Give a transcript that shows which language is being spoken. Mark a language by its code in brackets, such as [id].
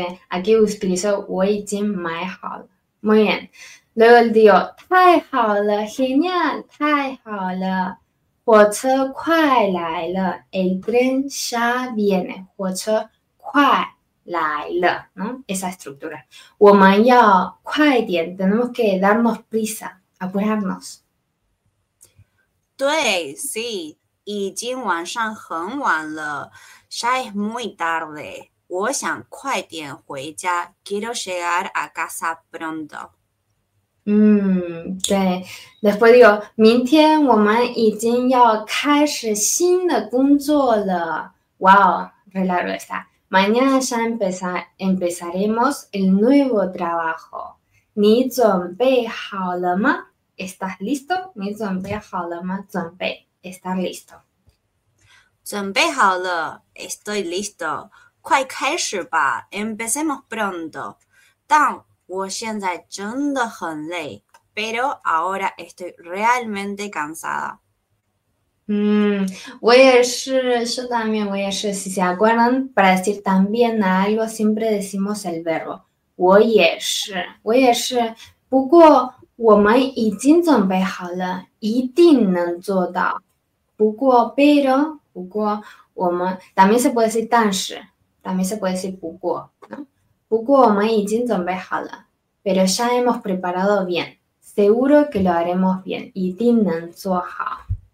[es] Aquí utilizo [zh] 我已经买好了. [es] Muy bien. Luego él dijo, [zh] 太好了, [es] genial, 太好了. [zh] 火车快来了, [es] el tren ya viene. [zh] 火车快来了, [es] ¿no? Esa estructura. [zh] 我们要快点, [es] tenemos que darnos prisa, apurarnos. [zh] 对， [es] sí， [zh] 已经晚上很晚了， [es] ya es muy tarde。 [zh] 我想快点回家， [es] quiero llegar a casa pronto。 Después digo, [zh] 明天我们已经要开始新的工作了. [es] Wow, re largo está. Mañana ya empezaremos el nuevo trabajo. [zh] 你准备好了吗? [es] ¿Estás listo? [zh] 你准备好了吗？准备, [es] estar listo. [zh] 准备好了, [es] estoy listo. [zh] 快开始吧, [es] empecemos pronto. Tan, [zh] 我现在真的很累, [es] pero ahora estoy realmente cansada. [zh] 我也是，是的，我也是。 [es] Si se acuerdan, para decir también algo, siempre decimos el verbo. [zh] 我也是，我也是。不过我们已经准备好了，一定能做到。 [es] 不过，pero, [zh] 不过我们 [es] también se puede decir 但是，también se puede decir 不过。 [zh] 不过我们已经准备好了， [es] pero ya hemos preparado bien. Seguro que lo haremos bien. [zh] 一定能做好。